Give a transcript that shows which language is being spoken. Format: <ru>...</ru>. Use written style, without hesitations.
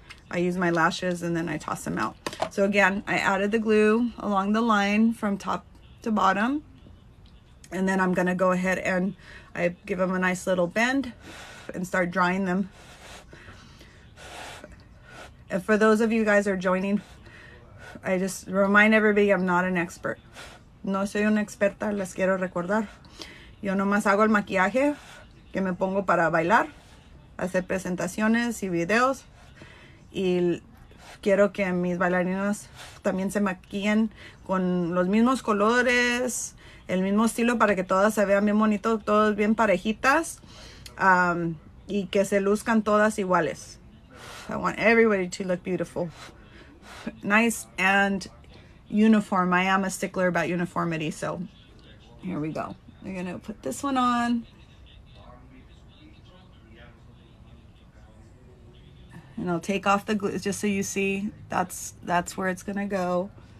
<en>I use my lashes and then I toss them out. So again, I added the glue along the line from top to bottom. And then I'm going to go ahead and I give them a nice little bend and start drying them. And for those of you guys who are joining, I just remind everybody I'm not an expert.</en> <es>No soy una experta, les quiero recordar. Yo nomás hago el maquillaje que me pongo para bailar, hacer presentaciones y videos. Y quiero que mis bailarinas también se maquillen con los mismos colores, el mismo estilo, para que todas se vean bien bonito, todas bien parejitas, y que se luzcan todas iguales.</es> <en>I want everybody to look beautiful, nice and uniform. I am a stickler about uniformity, so here we go. We're gonna put this one on. And I'll take off the glue just so you see that's where it's gonna go.</en>